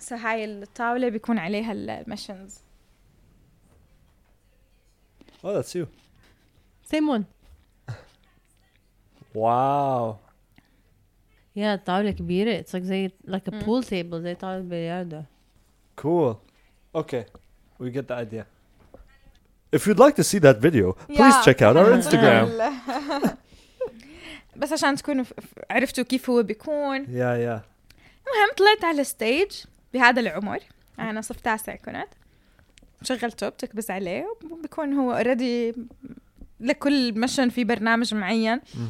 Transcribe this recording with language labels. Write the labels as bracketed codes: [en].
[en] So [ar] هاي الطاولة بيكون عليها المشنز. [en] Oh, that's you. Same one. Wow. [ar] يا طاولة كبيرة، [en] it's like [ar] زي [en] like a pool table [ar] زي طاولة بلياردو. [en] Cool. Okay. We get the idea. If you'd like to see that video, please check out our Instagram. [ar] بس عشان تكونوا عرفتوا كيف هو بيكون. [en] Yeah. [ar] المهم طلعت على الستيج بهذا العمر، أنا 9 كنت. شغلته بتكبس عليه وبكون هو [en] already [ar] لكل مشن في برنامج معين.